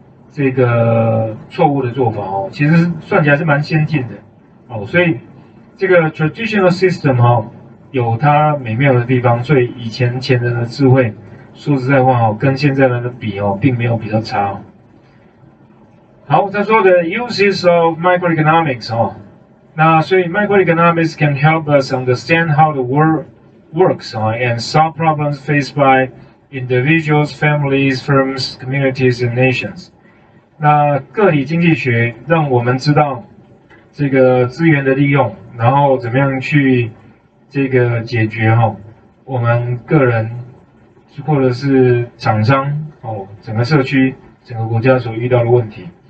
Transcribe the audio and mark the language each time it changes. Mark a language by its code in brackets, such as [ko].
[zh] 这个错误的做法哦，其实算起来是蛮先进的哦，所以这个 traditional system 哦有它美妙的地方，所以以前前人的智慧说实在话哦跟现在人的比哦并没有比较差哦。好，他说的 [en] uses of microeconomics [zh] 哦，那所以 [en] microeconomics can help us understand how the world works 哦 and solve problems faced by individuals, families, firms, communities and nations。 [zh] 那个体经济学让我们知道这个资源的利用，然后怎么样去这个解决哦，我们个人或者是厂商哦，整个社区、整个国家所遇到的问题。